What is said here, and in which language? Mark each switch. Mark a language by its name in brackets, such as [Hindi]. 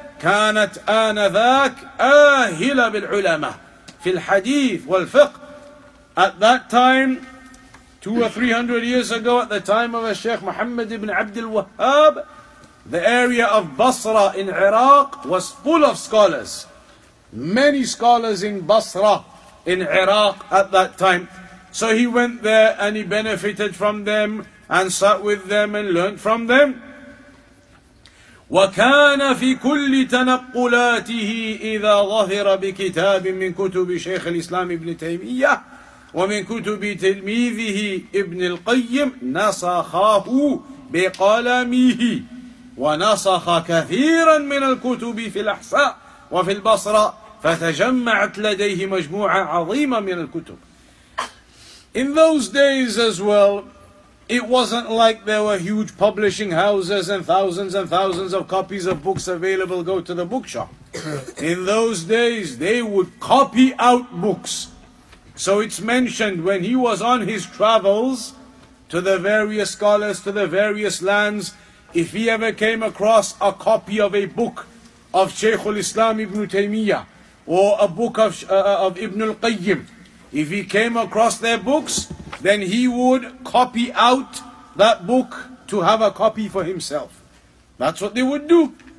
[Arabic] كانت آنذاك آهلة بالعلماء في الحديث والفقه. [English] At that time, 200 or 300 years ago, at the time of Sheikh Muhammad ibn Abdul Wahhab, the area of Basra in Iraq was full of scholars. Many scholars in Basra in Iraq at that time. So he went there and he benefited from them and sat with them and learned from them. [Arabic] وَكَانَ فِي كُلِّ تَنَقُّلَاتِهِ إِذَا ظَهِرَ بِكِتَابٍ مِّن كُتُبِ شَيْخِ الْإِسْلَامِ ابْنِ تَيْمِيَّةِ ومن كتب تلميذه ابن القيم نسخه بقلمه ونسخ كثيرا من الكتب في الأحساء وفي البصرة فتجمعت لديه مجموعة عظيمة من الكتب. [English] In those days as well, it wasn't like there were huge publishing houses and thousands of copies of books available, go to the bookshop. In those days, they would copy out books. So it's mentioned when he was on his travels to the various scholars, to the various lands, if he ever came across a copy of a book of Shaykh al-Islam Ibn Taymiyyah or a book of Ibn al-Qayyim, if he came across their books, then he would copy out that book to have a copy for himself. That's what they would do.